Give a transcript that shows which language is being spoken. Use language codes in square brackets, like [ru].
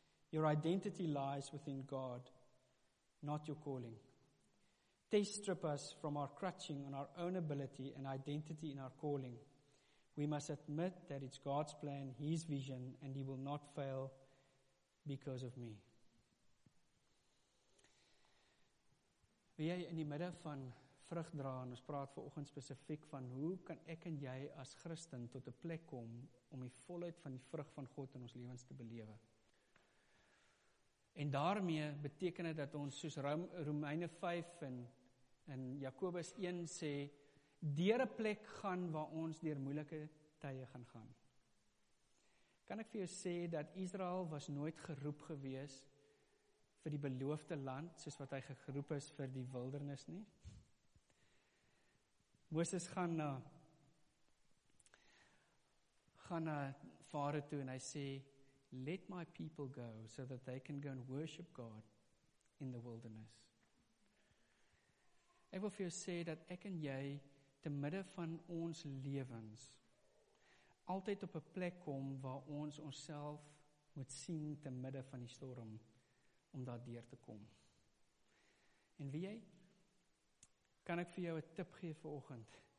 [en] Your identity lies within God, not your calling. Tests strip us from our crutching on our own ability and identity in our calling. We must admit that it's God's plan, His vision, and He will not fail because of me." [af] Wie jy in die middle van vrug dra, en ons praat vanoggend spesifiek van hoe kan ek en jy as Christen tot 'n plek kom om die volheid van die vrug van God in ons lewens te belewe. En daarmee beteken dit dat ons soos Romeine 5 en Jakobus 1 sê, deur 'n plek gaan waar ons deur moeilike tye gaan gaan. Kan ek vir jou sê dat Israel was nooit geroep gewees vir die beloofde land soos wat hy geroep is vir die wildernis nie? Moses gaan na Farao toe en hy sê, [en] "Let my people go so that they can go and worship God in the wilderness." [af] Ek wil vir jou sê dat ek en jy te midde van ons lewens altyd op 'n plek kom waar ons onsself moet sien te midde van die storm om daar deur te kom. En wie jy, kan ek vir jou 'n tip gee vir oggend?